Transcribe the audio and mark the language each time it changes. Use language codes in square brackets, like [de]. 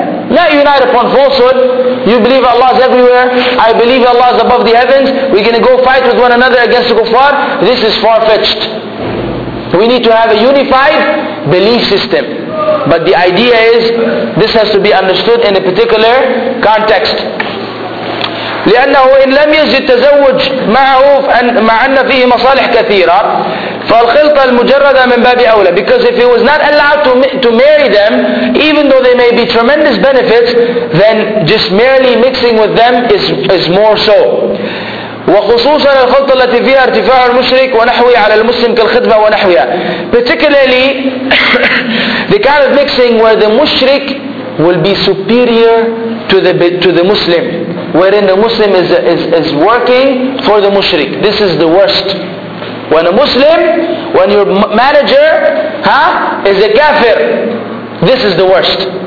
[en] Not unite upon falsehood. You believe Allah is everywhere. I believe Allah is above the heavens. We're going to go fight with one another against the kuffar. This is far-fetched. We need to have a unified belief system. But the idea is, this has to be understood in a particular context. [ar] لأنه إن لم يجد تزوج معروف مع أن فيه مصالح كثيرة فالخلطة المجردة من باب أولى. [en] Because if he was not allowed to marry them, even though they may be tremendous benefits, then just merely mixing with them is more so. [ar] وخصوصا الخلطة التي فيها ارتفاع المشرك ونحوي على المسلم كالخدمة ونحوها. [en] Particularly the kind of mixing where the mushrik will be superior to the Muslim, wherein the Muslim is working for the mushrik. This is the worst. When your manager is a kafir, this is the worst.